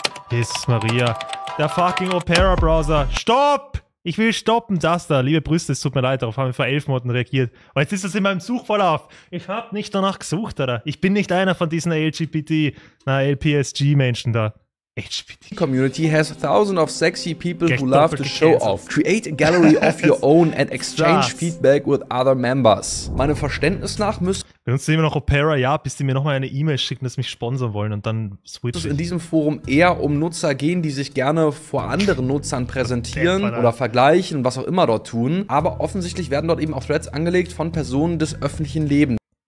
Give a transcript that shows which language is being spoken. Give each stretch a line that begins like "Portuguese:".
German: Jesus Maria. Der fucking Opera Browser. Stopp! Ich will stoppen, das da. Liebe Brüste, es tut mir leid, darauf haben wir vor 11 Monaten reagiert. Und jetzt ist das in meinem Suchverlauf. Ich habe nicht danach gesucht, oder? Ich bin nicht einer von diesen LGBT, na, LPSG-Menschen da.
English: The community has thousands of sexy people who love to show off. Create a gallery of your own and exchange feedback with other members.
German: Meinem Verständnis nach müssen... Benutzen Sie immer noch Opera, ja, bis Sie mir nochmal eine E-Mail schicken, dass Sie mich sponsern wollen und dann switchen. Es ist in diesem Forum eher um Nutzer gehen, die sich gerne vor anderen Nutzern präsentieren oder vergleichen, was auch immer dort tun. Aber offensichtlich werden dort eben auch Threads angelegt von Personen des öffentlichen Lebens.